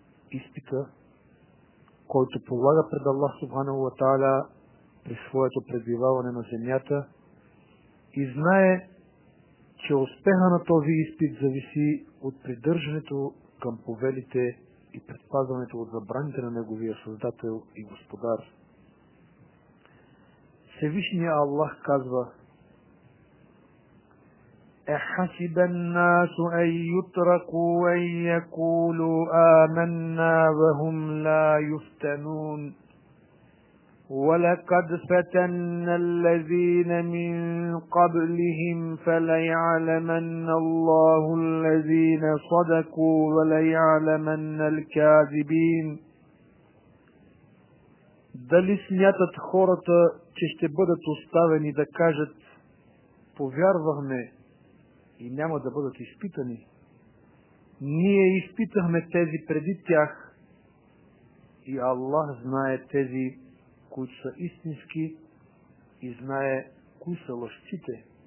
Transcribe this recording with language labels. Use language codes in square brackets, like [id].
[bg] Изпита, който полага пред Аллах Субханаху ва Тааля при своето пребиваване на земята и знае, че успеха на този изпит зависи от придържането към повелите и предпазването от забраните на неговия Създател и Господар. Всевишният Аллах казва: [ar] احسب الناس ان يتركوا ان يقولوا آمنا وهم لا يفتنون ولقد فتن الذين من قبلهم فليعلمن الله الذين صدقوا وليعلمن الكاذبين. [bg] Дали смятат хората, че ще бъдат оставени да кажат: повярвахме и няма да бъдат изпитани? Ние изпитахме тези преди тях и Аллах знае тези, които са истински, и знае кои са лъжците.